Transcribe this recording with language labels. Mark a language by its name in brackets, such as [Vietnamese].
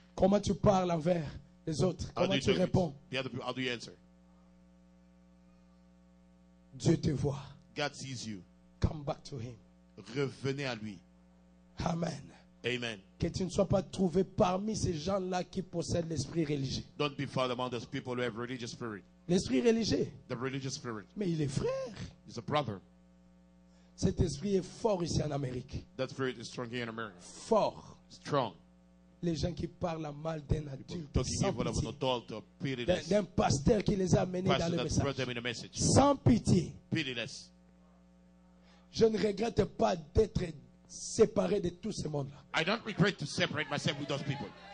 [French] Comment tu parles envers les autres? [English] How [French] comment tu réponds? [English] The other people, how do you answer? [French] Dieu te voit. [English] God sees you. Come back to him. [French] Revenez à lui. Amen. [English] Amen. [French] Que tu ne sois pas trouvé parmi ces gens-là qui possèdent l'esprit religieux. [English] Don't be found among those people who have religious spirit. [French] L'esprit religieux. [English] The religious spirit. [French] Mais il est frère. [English] He's a brother. [French] Cet esprit est fort ici en Amérique. [English] That spirit is strong here in America. [French] Fort. [English] Strong. [French] Les gens qui parlent mal d'un adulte d'un pasteur qui les a amenés dans le [English] message [French] sans pitié [English] pitiless. [French] Je ne regrette pas d'être séparé de tout ce monde là. [English] I don't regret to separate myself with those people.